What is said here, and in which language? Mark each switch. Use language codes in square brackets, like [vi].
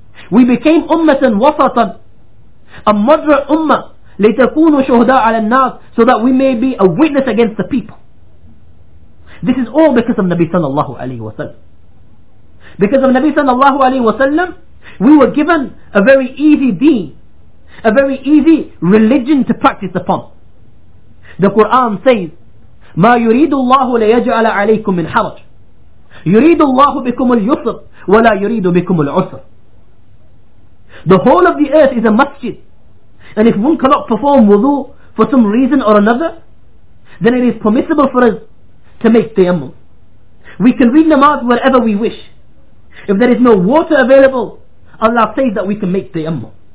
[en] We became Ummatan wasatan, a moderate Ummah, [ar] لِتَكُونُ شُهْدَى عَلَى النَّاسِ, [en] so that we may be a witness against the people. This is all because of Nabi sallallahu alayhi wa sallam. Because of Nabi sallallahu alayhi wa sallam, we were given a very easy deen, a very easy religion to practice upon. The Quran says, [ar] مَا يُرِيدُ اللَّهُ لَيَجْعَلَ عَلَيْكُمْ مِنْ حَرَجٍ يُرِيدُ اللَّهُ بِكُمُ الْيُسْرَ وَلَا يُرِيدُ بِكُمُ الْعُسْرَ. [en] The whole of the earth is a masjid, and if one cannot perform wudu for some reason or another, then it is permissible for us to make tayammum. We can read namaz wherever we wish. If there is no water available, Allah says that we can make tayammum.